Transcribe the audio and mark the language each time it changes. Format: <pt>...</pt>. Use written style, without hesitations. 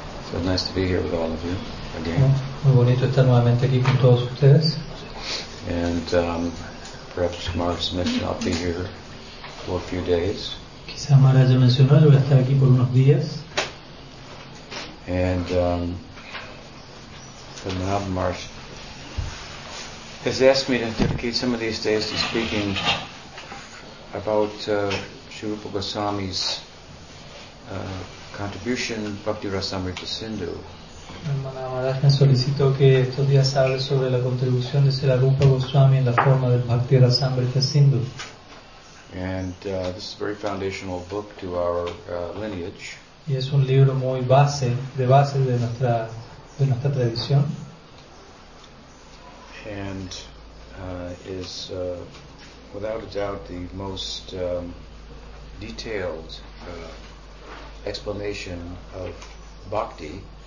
<en>So nice to be here with all of you again.</en> <es>Muy bonito estar nuevamente aquí con todos ustedes.</es> <en>And perhaps Maharaj mentioned I'll be here for a few days.</en> <es>Quizás Maharaj mencionó que voy a estar aquí por unos días.</es> <en>And the Nab Maharaj has asked me to dedicate some of these days to speaking about Sri Rupa Goswami's contribution, Bhakti-rasamrita-sindhu.</en> <es>Maharaj me solicitó que estos días hable sobre la contribución de Sri Rupa Goswami en la forma del Bhakti-rasamrita-sindhu.</es> <en>And this is a very foundational book to our lineage.</en> <es>Y es un libro muy base de nuestra tradición.</es> <en>And is without a doubt the most detailed explanation of bhakti.</en>